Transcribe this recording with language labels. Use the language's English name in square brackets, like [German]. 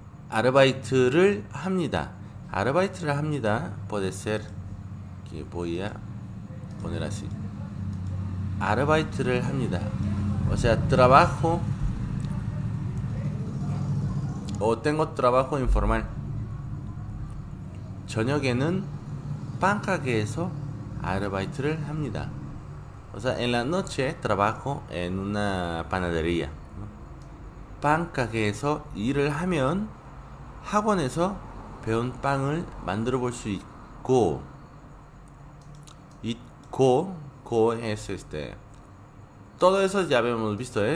[Korean] Arbeiter를 합니다. Arbeiter를 합니다. [Spanish] Puede ser que voy a poner así. [Korean] Arbeiter를 합니다. [Spanish] O sea, trabajo. O tengo trabajo informal. [Korean] 저녁에는 빵 가게에서 아르바이트를 합니다. [Spanish] O sea, en la noche trabajo en una panadería. [Korean] Pan 가게에서 일을 하면 학원에서 배운 빵을 만들어 볼수 있고, 있고, [Spanish] go es todo eso ya habíamos visto, ¿eh?